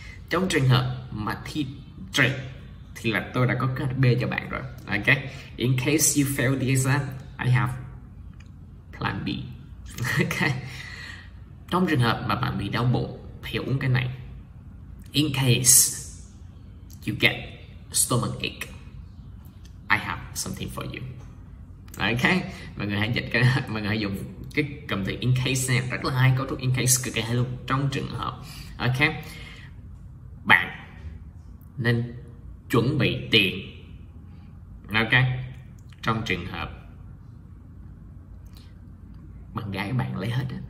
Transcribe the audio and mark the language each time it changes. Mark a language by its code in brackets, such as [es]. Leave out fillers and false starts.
[vi] Trong trường hợp mà thi trượt thì là tôi đã có kế hoạch B cho bạn rồi. [en] Okay, in case you fail the exam, I have plan B. [vi] Okay, trong trường hợp mà bạn bị đau bụng thì uống cái này. [en] In case you get stomach ache, I have something for you. [vi] Okay, mọi người hãy dịch cái, mọi người hãy dùng cái cụm từ in case này, rất là hay, cấu trúc in case cực kỳ hay luôn. Trong trường hợp, okay, bạn nên chuẩn bị tiền. Okay, trong trường hợp bạn gái bạn lấy hết.